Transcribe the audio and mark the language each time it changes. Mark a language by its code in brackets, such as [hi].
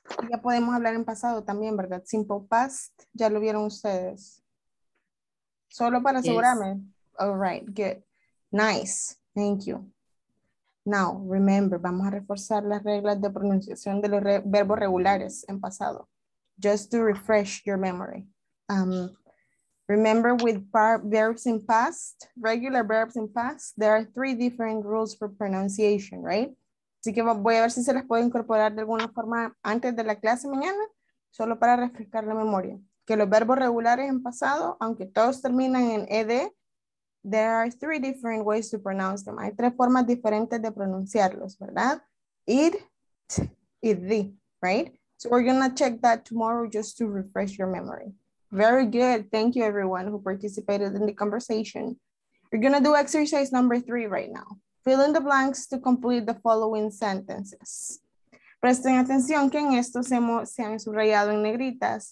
[es] Ya podemos hablar en pasado también, ¿verdad? Simple past, ya lo vieron ustedes. Solo para asegurarme. [en] Yes. All right, good. Nice, thank you. Now, remember, [es] vamos a reforzar las reglas de pronunciación de los verbos regulares en pasado. [en] Just to refresh your memory. Remember, with verbs in past, regular verbs in past, there are 3 different rules for pronunciation, right? [es] Así que voy a ver si se las puedo incorporar de alguna forma antes de la clase mañana, solo para refrescar la memoria. Que los verbos regulares en pasado, aunque todos terminan en ed, [en] there are 3 different ways to pronounce them. [es] Hay 3 formas diferentes de pronunciarlos, ¿verdad? [en] Id, t, id, di, right? So we're going to check that tomorrow just to refresh your memory. Very good. Thank you everyone who participated in the conversation. We're going to do exercise number 3 right now. Fill in the blanks to complete the following sentences. [es] Presten atención que en esto se han subrayado en negritas.